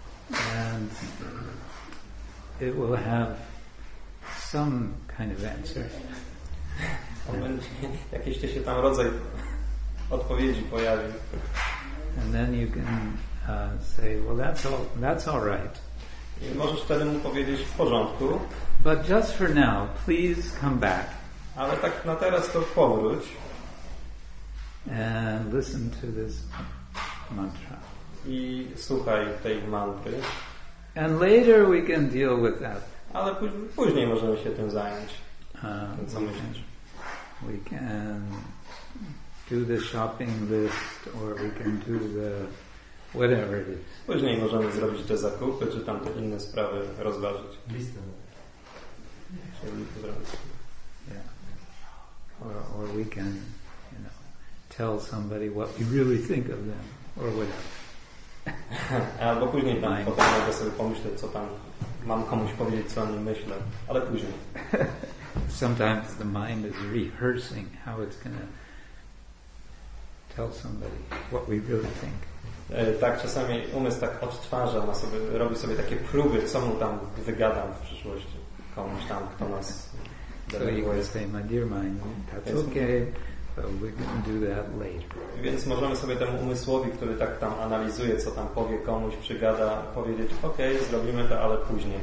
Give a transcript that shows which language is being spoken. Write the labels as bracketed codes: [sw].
[en] And it will have some kind of answer. [pl] Jakiś się tam rodzaj odpowiedzi pojawi. [en] And then you can say, well, that's all right. [pl] I możesz wtedy mu powiedzieć, w porządku. [en] But just for now, please come back. [pl] Ale tak na teraz to powróć. [en] And listen to this mantra. [pl] I słuchaj tej mantry. [en] And later we can deal with that. [pl] Ale później możemy się tym zająć. Co myślisz? [en] We can do the shopping list, or we can do the whatever it is. [pl] Później możemy zrobić te zakupy, czy tam te inne sprawy rozważyć. Listę. Czyli to zrobić. [en] Yeah. Or we can, you know, tell somebody what we really think of them, or whatever. [pl] Albo później tam potem mogę sobie pomyśleć, co tam mam komuś powiedzieć, co o nim myślę, ale później. [en] Sometimes the mind is rehearsing how it's going to tell somebody what we really think. [pl] Tak czasami umysł tak odtwarza, robi sobie takie próby, co mu tam wygadam w przyszłości, komuś tam, kto nas zareaguje. [en] So say, my dear mind, that's okay. So we can do that later. [pl] Więc możemy sobie temu umysłowi, który tak tam analizuje, co tam powie komuś, przygada, powiedzieć, ok, zrobimy to, ale później.